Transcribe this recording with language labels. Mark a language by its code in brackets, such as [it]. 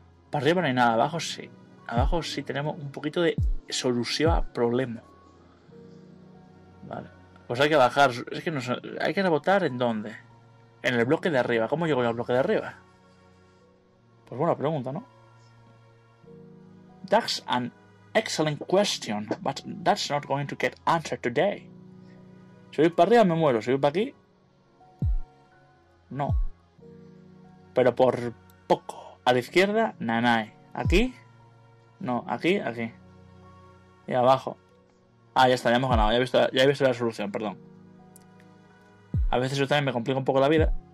[es] Para arriba no hay nada, abajo sí. Abajo sí tenemos un poquito de solución a problema. Vale. Pues hay que bajar. Es que no sé. Hay que rebotar en dónde. En el bloque de arriba. ¿Cómo llego yo al bloque de arriba? Pues buena pregunta, ¿no? Dax and. [en] Excellent question, but that's not going to get answered today. [es] Si voy para arriba me muero, si voy para aquí, no. Pero por poco. A la izquierda, nanay. Aquí, no, aquí, aquí. Y abajo. Ah, ya está, ya hemos ganado, ya he visto la solución, perdón. A veces yo también me complico un poco la vida.